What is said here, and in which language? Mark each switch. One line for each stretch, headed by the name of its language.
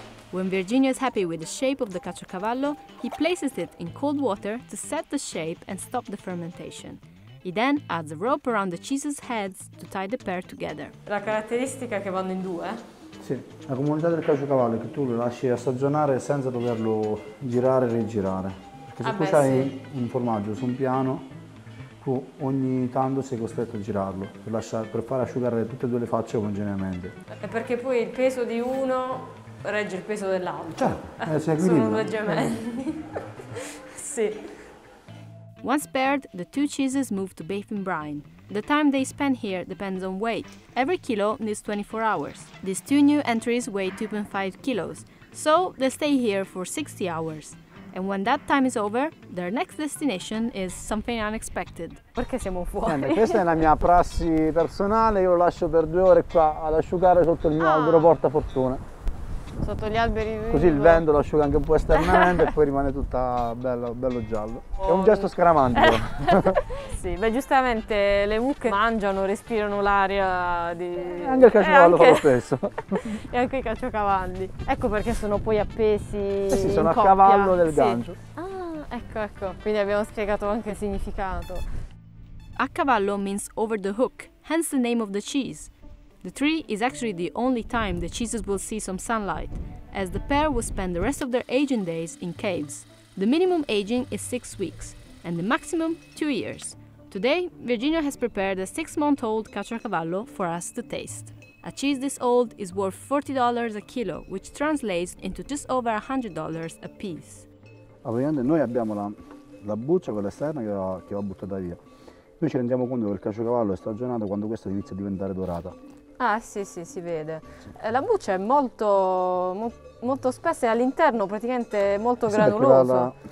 English: When Virginio is happy with the shape of the caciocavallo, he places it in cold water to set the shape and stop the fermentation. He then adds a rope around the cheese's heads to tie the pair together.
Italian: La caratteristica è che vanno in due? Sì, la comunità del caciocavallo è che tu lo lasci assaggiare senza doverlo girare e rigirare. Perché se tu hai un formaggio su un piano, tu ogni tanto sei costretto a girarlo per far asciugare tutte e due le facce omogeneamente. E perché poi il peso di uno regge il peso dell'altro. Cioè, sei sono due gemelli. Sì.
English: Once paired, the two cheeses move to bathe in brine. The time they spend here depends on weight. Every kilo needs 24 hours. These two new entries weigh 2.5 kilos, so they stay here for 60 hours. And when that time is over, their next destination is something unexpected.
Italian: Perché siamo fuori? Questa è la mia prassi personale, io lo lascio per 2 ore qua ad asciugare sotto il mio albero portafortuna. Sotto gli alberi. Così il vento lo asciuga anche un po' esternamente e poi rimane tutta bello giallo. È un gesto scaramantico. Sì, beh, giustamente le mucche mangiano, respirano l'aria di. Anche il caciocavallo fa lo stesso. E anche i caciocavalli. Ecco perché sono poi appesi. Sì, sono in a coppia. Cavallo del gancio. Ah, ecco. Quindi abbiamo spiegato anche il significato.
English: A cavallo means over the hook, hence the name of the cheese. The tree is actually the only time the cheeses will see some sunlight, as the pair will spend the rest of their aging days in caves. The minimum aging is 6 weeks, and the maximum 2 years. Today, Virginio has prepared a 6-month-old caciocavallo for us to taste. A cheese this old is worth $40 a kilo, which translates into just over $100 a piece.
Italian: Ovviamente noi abbiamo la buccia, quella esterna che va buttata via. Noi ci rendiamo conto che il caciocavallo è stagionato quando questa inizia a diventare dorata. Ah sì, si vede. La buccia è molto, molto spessa e all'interno praticamente molto granulosa.